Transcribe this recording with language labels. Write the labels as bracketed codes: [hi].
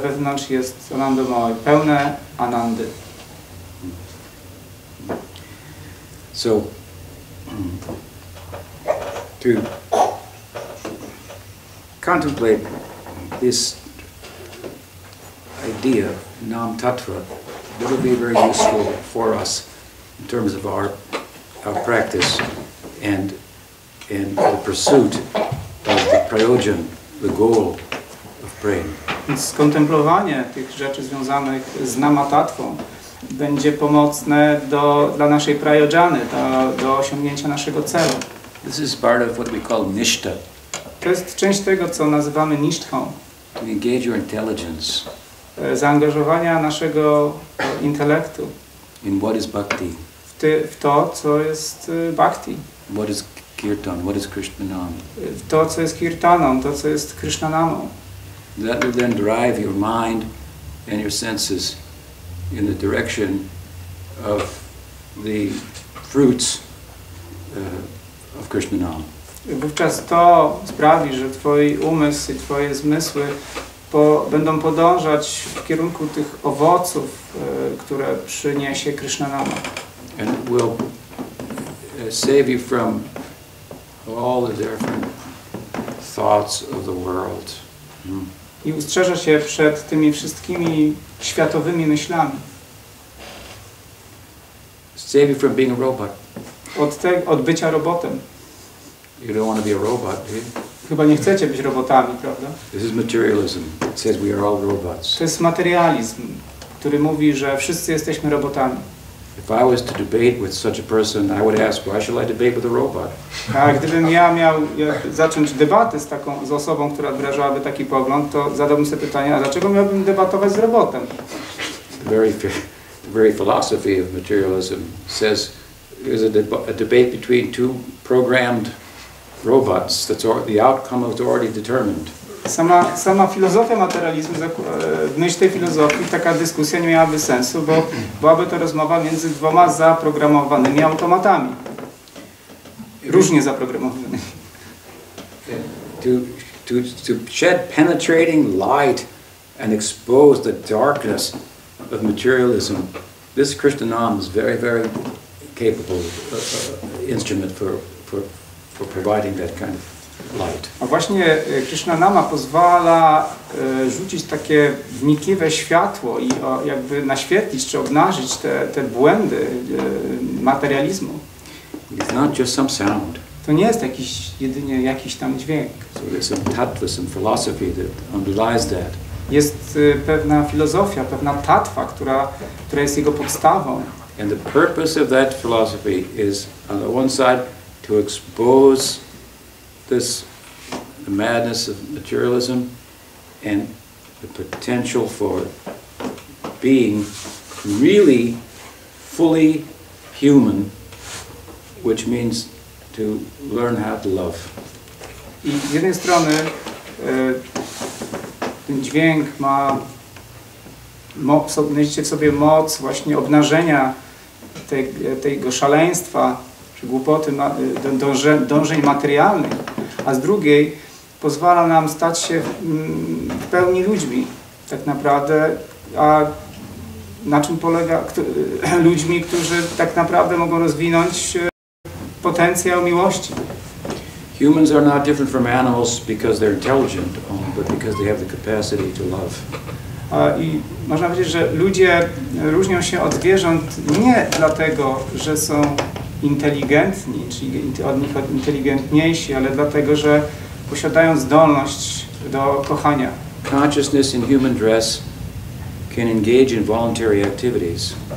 [pl] wewnątrz jest anandamoy, pełne anandy. [en] So to contemplate this idea nam tattva, that will be very useful for us in terms of our practice and the pursuit of the prayojan, the goal of praying. [pl] Skontemplowanie tych rzeczy związanych z nama tattvą będzie pomocne dla naszej prayojany, do osiągnięcia naszego celu. [en] This is part of what we call nishta. [pl] To jest część tego, co nazywamy nishtą. [en] To engage your intelligence. [pl] Zaangażowania naszego intelektu. [en] In what is bhakti? [pl] W to, co jest bhakti. [en] What is kirtan? What is krishnanam? [pl] W to, co jest kirtanam, to, co jest krishnanamam. [en] That will then drive your mind and your senses in the direction of the fruits of krishnanam. [pl] wówczas to sprawi, że twój umysł i twoje zmysły będą podążać w kierunku tych owoców, które przyniesie Krishna Nama. [en] And will save you from all the different thoughts of the world. [pl] I ustrzeże się przed tymi wszystkimi światowymi myślami. [en] Save you from being a robot. [pl] Od bycia robotem. [en] You don't want to be a robot, do you? [pl] Chyba nie chcecie być robotami, prawda? [en] This is materialism. It says we are all robots. [pl] To jest materializm, który mówi, że wszyscy jesteśmy robotami. [en] If I was to debate with such a person, I would ask, why should I debate with a robot? [pl] A gdybym ja miał zacząć debatę z taką z osobą, która wyrażałaby taki pogląd, to zadałbym sobie pytanie, a dlaczego miałbym debatować z robotem? [en] The very philosophy of materialism says there's a debate between two programmed robots. That's the outcome is already determined. [pl] Sama filozofia materializmu, w myśl tej filozofii, taka dyskusja nie miałaby sensu, bo byłaby to rozmowa między dwoma zaprogramowanymi automatami. Różnie zaprogramowanymi. [en] To shed penetrating light and expose the darkness of materialism, this Krishna Nam is very, very capable instrument for providing that kind of light. [pl] A właśnie Krishna Nama pozwala rzucić takie wnikliwe światło i jakby naświetlić czy obnażyć te błędy materializmu. [en] It's not just some sound. [pl] To nie jest jedynie jakiś tam dźwięk. [en] So there's some tattvas and philosophy that underlies that. [pl] Jest pewna filozofia, pewna tattva, która jest jego podstawą. [en] And the purpose of that philosophy is on the one side to expose this the madness of materialism and the potential for being really fully human, which means to learn how to love. [pl] I z jednej strony ten dźwięk ma w sobie moc właśnie obnażenia tego szaleństwa, czy głupoty, dążeń materialnych, a z drugiej pozwala nam stać się w pełni ludźmi, tak naprawdę, a na czym polega, ludźmi, którzy tak naprawdę mogą rozwinąć potencjał miłości. [en] Humans are not different from animals because they're intelligent, but because they have the capacity to love. [pl] I można powiedzieć, że ludzie różnią się od zwierząt nie dlatego, że są inteligentni, czyli od nich inteligentniejsi, ale dlatego, że posiadają zdolność do kochania. [en] Consciousness in human dress can engage in voluntary activities.